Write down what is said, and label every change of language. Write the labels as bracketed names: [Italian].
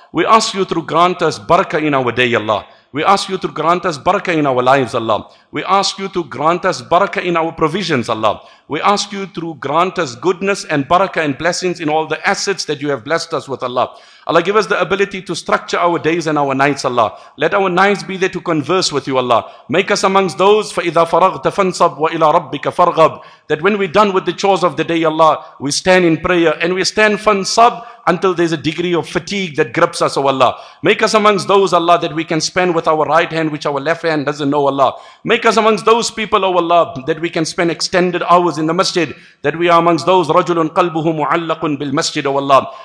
[English] We ask you to grant us barakah in our day, Allah. We ask you to grant us barakah in our lives, Allah. We ask you to grant us barakah in our provisions, Allah. We ask you to grant us goodness and barakah and blessings in all the assets that you have blessed us with, Allah. Allah, give us the ability to structure our days and our nights, Allah. Let our nights be there to converse with you, Allah. Make us amongst those, [Arabic] فَإِذَا فَرَغْتَ فَانْصَبْ وَإِلَىٰ رَبِّكَ فَارْغَبْ. [English] That when we're done with the chores of the day, Allah, we stand in prayer and we stand فَانْصَبْ until there's a degree of fatigue that grips us, O Allah. Make us amongst those, Allah, that we can spend with our right hand, which our left hand doesn't know, Allah. Make us amongst those people, O Allah, that we can spend extended hours in the masjid, that we are amongst those, [Arabic] رَجُلٌ قَلْبُهُ مُعَلَّقٌ بِالْمَسْجِدِ, [English] O Allah.